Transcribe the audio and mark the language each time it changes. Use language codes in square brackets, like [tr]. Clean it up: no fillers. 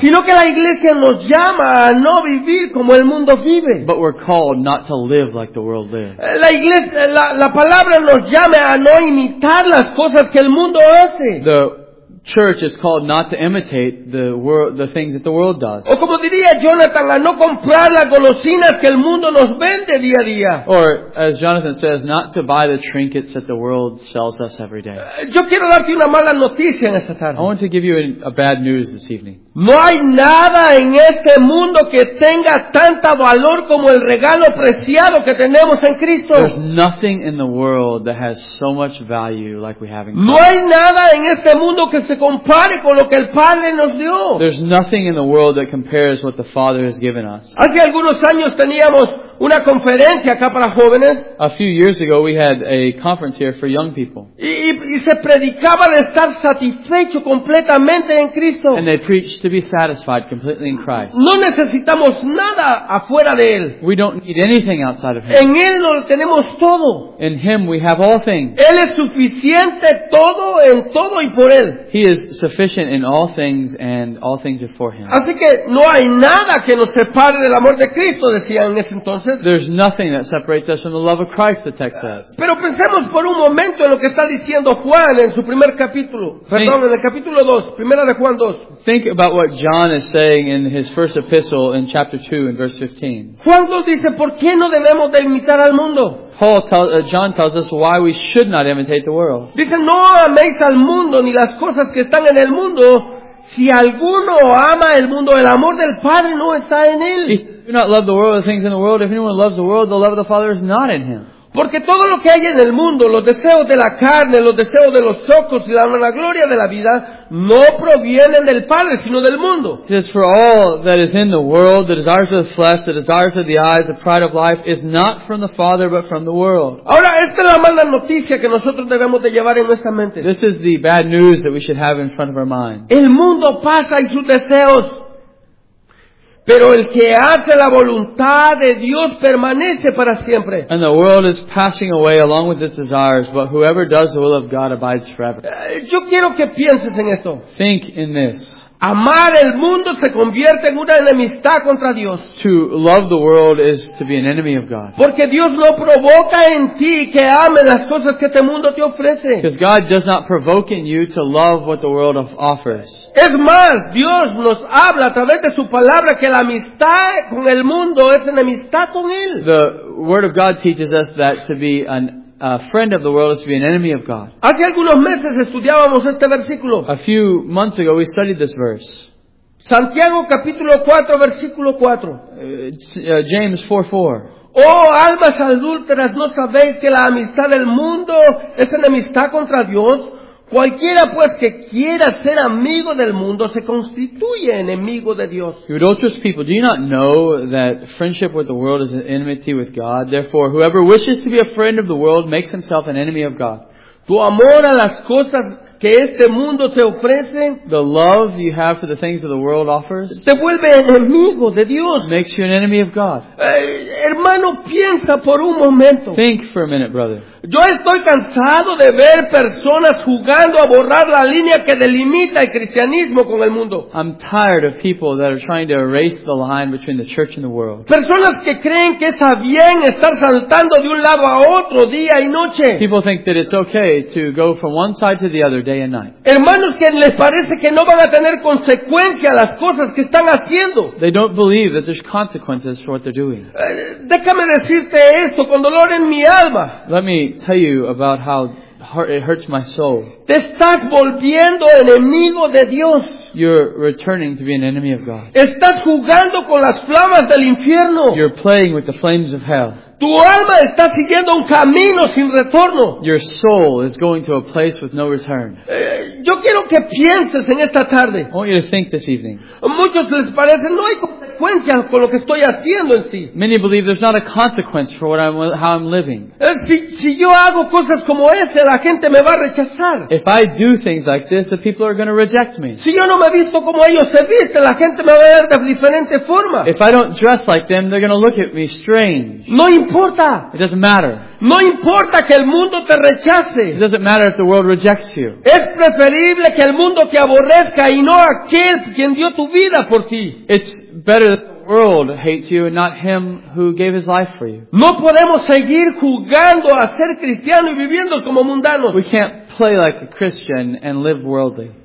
[es] sino que la iglesia nos llama a no vivir como el mundo vive, [en] but we're called not to live like the world lives. [es] La iglesia, la palabra nos llama a no imitar las cosas que el mundo hace. [en] The church is called not to imitate the world, the things that the world does. [es] O como diría Jonathan, a no comprar las golosinas que el mundo nos vende día a día. [en] Or as Jonathan says, not to buy the trinkets that the world sells us every day. [es] Yo quiero darte una mala noticia en esta tarde. [en] I want to give you a bad news this evening. [es] No hay nada en este mundo que tenga tanta valor como el regalo preciado que tenemos en Cristo. [en] There's nothing in the world that has so much value like we have in Christ. [es] No hay nada en este mundo que se compare con lo que el Padre nos dio. [en] There's nothing in the world that compares what the Father has given us. [es] Hace algunos años teníamos una conferencia acá para jóvenes. [en] A few years ago we had a conference here for young people. [es] Y se predicaba de estar satisfecho completamente en Cristo. [en] And they preached to be satisfied completely in Christ. [es] No necesitamos nada afuera de Él. [en] We don't need anything outside of Him. [es] En Él lo tenemos todo. [en] In Him we have all things. [es] Él es suficiente todo en todo y por Él. [en] He is sufficient in all things, and all things are for him. [es] Así que no hay nada que nos separe del amor de Cristo, decían en ese entonces. [en] There's nothing that separates us from the love of Christ, the text says. [es] Pero pensemos por un momento en lo que está diciendo Juan en su primer capítulo. En el capítulo 2, primera de Juan 2. [en] Think about what John is saying in his first epistle in chapter 2 in verse 15. [es] Juan nos dice, ¿por qué no debemos de imitar al mundo? [en] John tells us why we should not imitate the world. [es] Dice, no améis al mundo ni las cosas que están en el mundo. Si alguno ama el mundo, el amor del Padre no está en él. [en] Do not love the world, the things in the world. If anyone loves the world, the love of the Father is not in him. [es] Porque todo lo que hay en el mundo, los deseos de la carne, los deseos de los ojos y la vanagloria de la vida, no provienen del Padre, sino del mundo. [en] It is for all that is in the world, the desires of the flesh, the desires of the eyes, the pride of life, is not from the Father, but from the world. [es] Ahora, esta es la mala noticia que nosotros debemos de llevar en nuestra mente. [en] This is the bad news that we should have in front of our mind. [es] El mundo pasa y sus deseos. Pero el que hace la voluntad de Dios permanece para siempre. [en] And the world is passing away along with its desires, but whoever does the will of God abides forever. [es] Yo quiero que pienses en esto. [en] Think in this. [es] Amar el mundo se convierte en una enemistad contra Dios. [en] To love the world is to be an enemy of God. [es] Porque Dios no provoca en ti que ames las cosas que este mundo te ofrece. [en] Because God does not provoke in you to love what the world offers. [es] Es más, Dios nos habla a través de su palabra que la amistad con el mundo es enemistad con él. [en] The word of God teaches us that to be a friend of the world is to be an enemy of God. [es] Hace algunos meses estudiábamos este versículo. [en] A few months ago we studied this verse. [es] Santiago capítulo 4 versículo 4. [en] James 4:4. [es] Oh, almas adúlteras, ¿no sabéis que la amistad del mundo es enemistad contra Dios? Cualquiera pues que quiera ser amigo del mundo se constituye enemigo de Dios. [en] You adulterous people, do you not know that friendship with the world is an enmity with God? Therefore, whoever wishes to be a friend of the world makes himself an enemy of God. [es] Tu amor a las cosas que este mundo te ofrece, [en] the love you have for the things that the world offers, [es] te vuelve enemigo de Dios. [en] Makes you an enemy of God. [es] Hermano, piensa por un momento. [en] Think for a minute, brother. [es] Yo estoy cansado de ver personas jugando a borrar la línea que delimita el cristianismo con el mundo. [en] I'm tired of people that are trying to erase the line between the church and the world. [es] Personas que creen que está bien estar saltando de un lado a otro día y noche. [en] People think that it's okay to go from one side to the other day and night. [es] Hermanos que les parece que no van a tener consecuencias las cosas que están haciendo. [en] They don't believe that there's consequences for what they're doing. [es] Déjame decirte esto con dolor en mi alma. [en] Let me tell you about how it hurts my soul. [es] Te estás volviendo enemigo de Dios. [en] You're returning to be an enemy of God. [es] Estás jugando con las flamas del infierno. [en] You're playing with the flames of hell. [es] Tu alma está siguiendo un camino sin retorno. [en] Your soul is going to a place with no return. [es] Yo quiero que pienses en esta tarde. [en] I want you to think this evening. [es] Muchos les parece no hay consecuencias con lo que estoy haciendo en sí. [en] Many believe there's not a consequence for how I'm living. [es] Si yo hago cosas como ese, la gente me va a rechazar. [en] If I do things like this, the people are going to reject me. [es] Si yo no me visto como ellos se visten, la gente me va a ver de diferente forma. [en] If I don't dress like them, they're going to look at me strange. [es] No importa. [en] It doesn't matter. [es] No importa que el mundo te rechace. [en] It doesn't matter if the world rejects you. [es] Es preferible que el mundo te aborrezca y no aquel quien dio tu vida por ti. [en] It's better that the world hates you and not him who gave his life for you. [es] No podemos seguir jugando a ser cristiano y viviendo como mundanos. [en] We can't play like a Christian and live worldly.